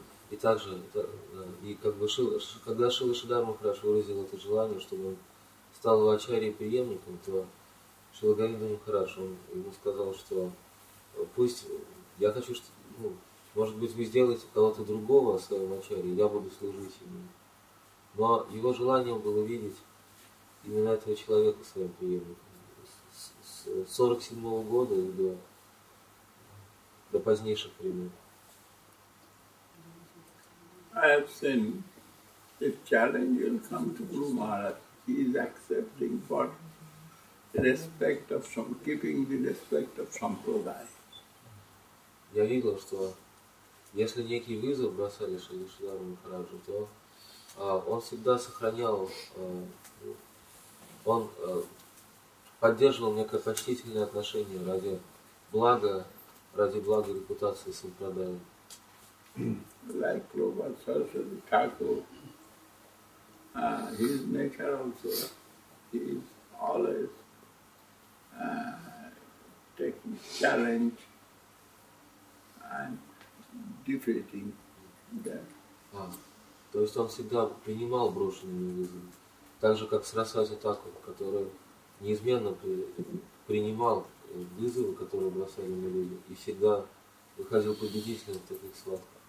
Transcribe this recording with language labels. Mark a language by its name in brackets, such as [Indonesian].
[Russian] И также, и как бы когда Шрила Шридхар Махарадж выразил это желание, чтобы он стал его ачарьей преемником, то Шрила Говинда Махарадж, он ему сказал, что пусть я хочу, что, ну, может быть, вы сделаете кого-то другого своим ачарьей, я буду служить ему. Но его желанием было видеть именно этого человека своим преемником. С 47 года и до позднейших времен. [English] I have seen, if challenge will come to Guru Maharaj, he is accepting for respect of some, keeping the respect of some Prabhupada. [Russian] Я видел, что если некий вызов бросали Шрила Шридхара Махараджу, то он всегда сохранял, он поддерживал некое почтительное отношение ради блага, ради блага репутации сампрадая. [English] Like Prabhupada Saraswati Thakur, his nature also, he is always taking challenge and defeating them. [Russian] То есть он всегда принимал брошенные вызовы. Так же, как Сарасвати Такур, который неизменно принимал вызовы, которые бросали ему люди, и всегда выходил победителем в таких схватках.